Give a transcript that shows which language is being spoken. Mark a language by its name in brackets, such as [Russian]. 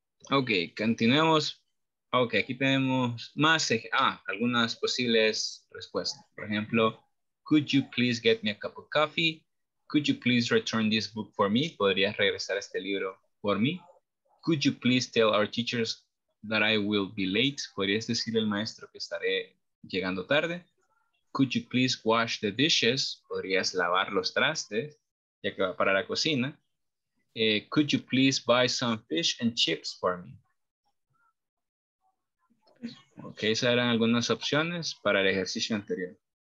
[Spanish] Okay, continuemos. Okay, aquí tenemos más algunas posibles respuestas. Por ejemplo, [English] could you please get me a cup of coffee? Could you please return this book for me? [Spanish] ¿Podrías regresar este libro por mí? [English] Could you please tell our teachers that I will be late? [Spanish] ¿Podrías decirle al maestro que estaré llegando tarde? [English] Could you please wash the dishes? [Spanish] ¿Podrías lavar los trastes? Ya que va para la cocina. [English] Could you please buy some fish and chips for me? [Spanish] Ok, esas eran algunas opciones para el ejercicio anterior.